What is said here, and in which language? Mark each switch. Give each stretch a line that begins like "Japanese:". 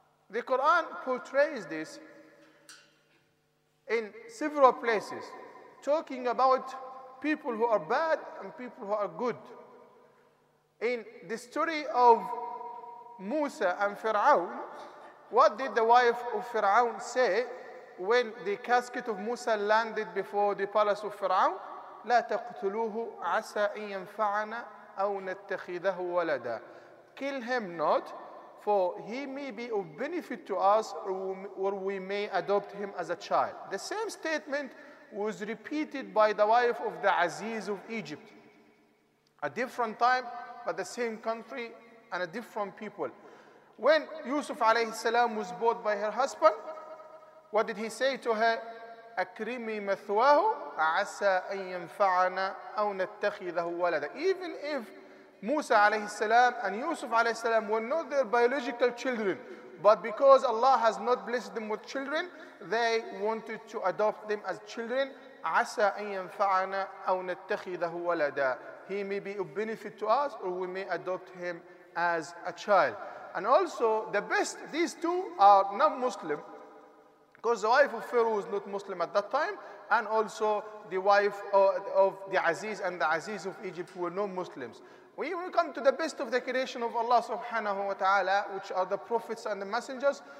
English: The Quran portrays this in several places, talking about people who are bad and people who are good. In the story of Musa and Fir'aun, what did the wife of Fir'aun say when the casket of Musa landed before the palace of Fir'aun?
Arabic: لا تقتلوه عسى أن ينفعنا أو نتخذه ولدا.
English: Kill him not, for he may be of benefit to us, or we may adopt him as a child. The same statement was repeated by the wife of the Aziz of Egypt. A different time, but the same country and a different people. When Yusuf alayhi salam was bought by her husband, what did he say to her?
Arabic: أكرمي مثواه عسى أن ينفعنا أو نتخذه ولدا.
English: Even if Musa alayhi salam and Yusuf alayhi salam were not their biological children, but because Allah has not blessed them with children, they wanted to adopt them as children.
Arabic: عسى أن ينفعنا أو نتخذه ولدا.
English: He may be a benefit to us, or we may adopt him as a child. And also, the best, these two are non-Muslim, because the wife of Pharaoh was not Muslim at that time, and also the wife of the Aziz and the Aziz of Egypt were not Muslims. We come to the best of the creation of Allah subhanahu wa ta'ala, which are the prophets and the messengers.